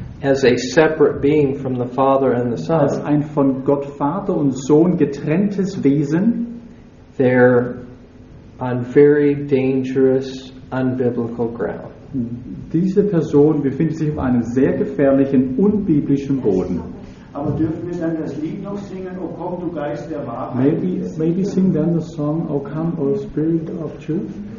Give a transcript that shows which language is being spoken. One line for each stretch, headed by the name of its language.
English: as a separate being from the Father and the Son,
German: als ein von Gott Vater und Sohn getrenntes Wesen,
English: there on very dangerous, unbiblical ground.
German: Diese Person befindet sich auf einem sehr gefährlichen, unbiblischen Boden. Aber dürfen wir dann das Lied noch singen, O komm, du Geist der Wahrheit?
English: Maybe sing then the song, O come, O Spirit of Truth.